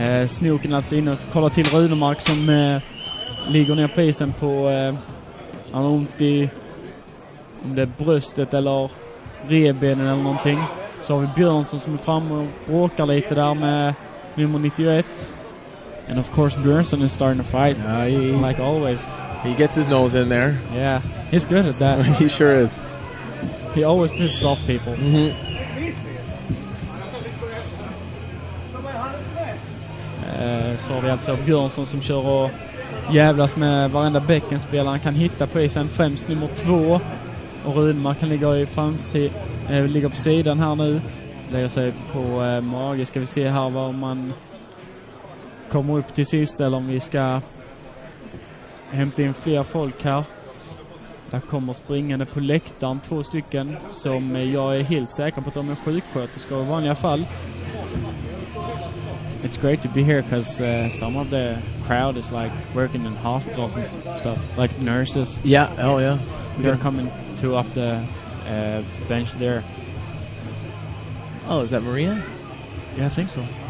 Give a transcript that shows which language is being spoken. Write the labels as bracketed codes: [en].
[sv] Snoken alltså inne och kollar till Runemark som ligger ner på isen på... Han har ont i om det är bröstet eller revbenen eller någonting. Så har vi Björnsson som är fram och bråkar lite där med nummer 91. [en] And of course Björnsson is starting to fight. Like always. He gets his nose in there. Yeah, he's good at that. He sure is. He always pisses off people. Mm-hmm. [sv] Så har vi alltså Björnsson som kör och jävlas med varenda Bäckenspelare kan hitta på isen, främst nummer 2. Och Runemark kan ligga i framsidan, ligger på sidan här nu. lägger sig på mage. Ska vi se här var man kommer upp till sist eller om vi ska hämta in fler folk här. Där kommer springande på läktaren två stycken som jag är helt säker på att de är sjuksköterskor i vanliga fall. [en] It's great to be here because some of the crowd is like working in hospitals and stuff, like nurses. Yeah, oh yeah. They're coming to off the bench there. Oh, is that Maria? Yeah, I think so.